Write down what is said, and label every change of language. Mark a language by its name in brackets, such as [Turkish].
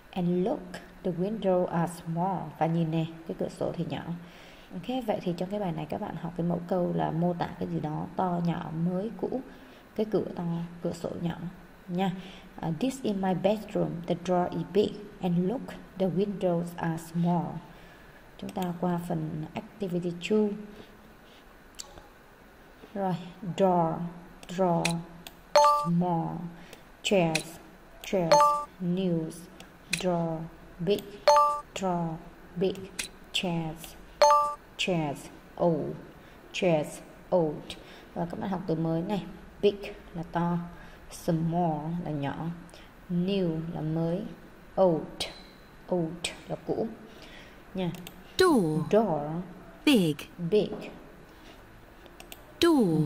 [English] And look, the windows are small. [Vietnamese] Và nhìn nè, cái cửa sổ thì nhỏ. Ok, vậy thì trong cái bài này các bạn học cái mẫu câu là mô tả cái gì đó to, nhỏ, mới, cũ. Cái cửa to, cửa sổ nhỏ nha. [English] This is my bedroom, the door is big. And look, the windows are small. [Vietnamese] Chúng ta qua phần activity 2. [English] Rồi, door, draw, small. Chairs, chairs, news, draw, big, chairs, chairs, old, chairs, old. [Vietnamese] Và các bạn học từ mới này, big là to, small là nhỏ, new là mới, old là cũ. Nha. [English] Door, big. Door,